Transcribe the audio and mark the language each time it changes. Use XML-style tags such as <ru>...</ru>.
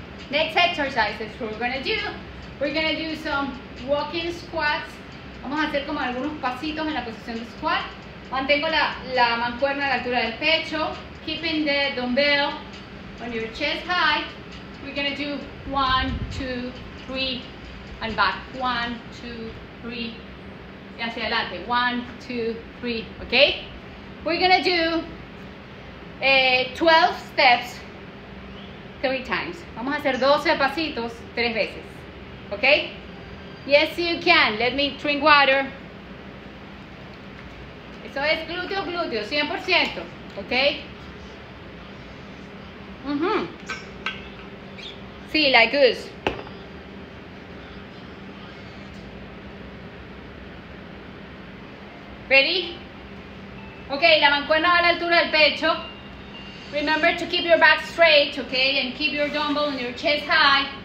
<en>Next exercises we're gonna do some walking squats</en> <es>Vamos a hacer como algunos pasitos en la posición de squat. Mantengo la mancuerna a la altura del pecho.</es> <en>Keeping the dumbbell on your chest high. We're gonna do 1, 2, 3 and back.</en> <es>1, 2, 3 y hacia adelante.</es> <en>1, 2, 3, okay? We're gonna do 12 steps 3 times.</en> <es>Vamos a hacer 12 pasitos 3 veces, okay?</es> <en>Yes, you can. Let me drink water.</en> <es>Eso es glúteo, glúteo, 100%, okay?</es> <en>Mm-hmm. See, like this. Ready?</en> <es>Okay, la mancuerna va a la altura del pecho.</es> <en>Remember to keep your back straight, okay? And keep your dumbbell on your chest high.</en>